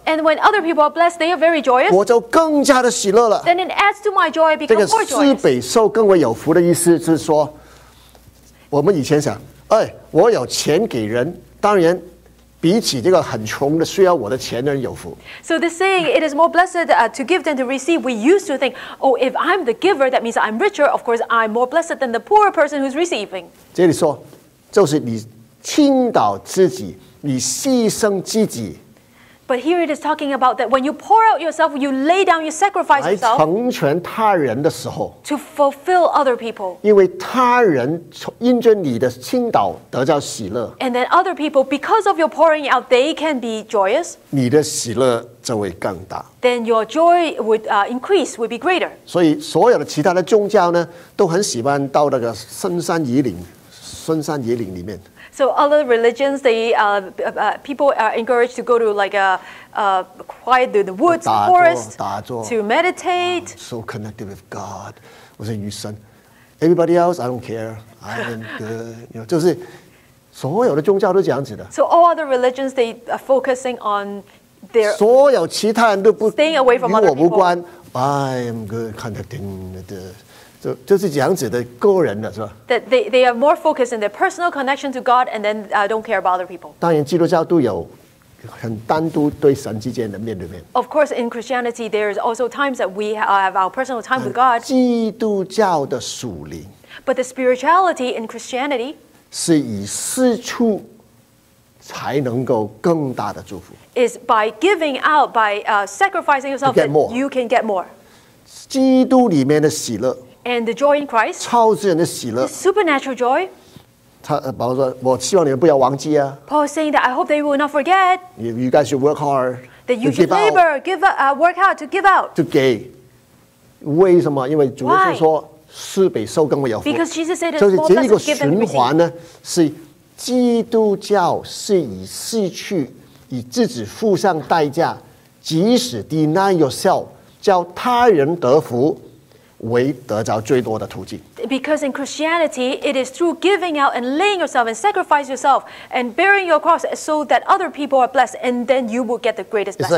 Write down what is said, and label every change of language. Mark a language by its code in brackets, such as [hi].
[en] And when other people are blessed they are very joyous [zh] 我就更加的喜乐了 [en] Then it adds to my joy become more joyous [zh] 这个施比受更为有福的意思是说我们以前想哎，我有钱给人，当然比起这个很穷的需要我的钱的人有福。 [en] So the saying, it is more blessed to give than to receive. We used to think, oh, if I'm the giver, that means I'm richer. Of course, I'm more blessed than the poor person who's receiving. [zh] 这里说，就是你倾倒自己，你牺牲自己。 [en] But here it is talking about that when you pour out yourself, you lay down, you sacrifice yourself. [zh] 来成全他人的时候。 [en] To fulfill other people. [zh] 因为他人因着你的倾倒得到喜乐。 [en] And then other people, because of your pouring out, they can be joyous. [zh] 你的喜乐就会更大。 [en] Then your joy would increase, would be greater. [zh] 所以所有的其他的宗教呢，都很喜欢到那个深山野岭，深山野岭里面。 [en] So other religions, they people are encouraged to go to like a quiet through the woods, forest, to meditate. So connected with God, [zh] 我是女神。 [en] Everybody else, I don't care. I'm good. You know, [zh] 就是所有的宗教都这样子的。 [en] So all other religions, they are focusing on their. [zh] 所有其他人都不 [en] staying away from other people. [zh] 与我无关。 [en] I'm good, connecting the. [zh] 就是这样子的个人的是吧 [en] ？That they are more focused in their personal connection to God, and then don't care about other people. [zh] 当然，基督教都有很单独对神之间的面对面。 [en] Of course, in Christianity, there is also times that we have our personal time with God. [zh] 基督教的属灵 [en] ，But the spirituality in Christianity [zh] 是以施出才能够更大的祝福。 [en] Is by giving out, by sacrificing yourself, that you can get more. [zh] 基督里面的喜乐。 [en] And the joy in Christ, [zh] 超自然的喜乐 [en] supernatural joy. [zh] 他保罗说，我希望你们不要忘记啊。 [en] Paul is saying that I hope they will not forget. You guys should work hard. That you should labor, give work hard to give out. To give. [zh] 为什么？因为主耶稣说，施比受更为有福。 [en] Because Jesus said it's more blessed to give than to receive. [zh] 就是这一个循环呢，是基督教是以失去，以自己付上代价，即使 [en] deny yourself, [zh] 叫他人得福。为得着最多的途径。 [en] Because in Christianity, it is through giving out and laying yourself and sacrifice yourself and bearing your cross so that other people are blessed and then you will get the greatest blessing.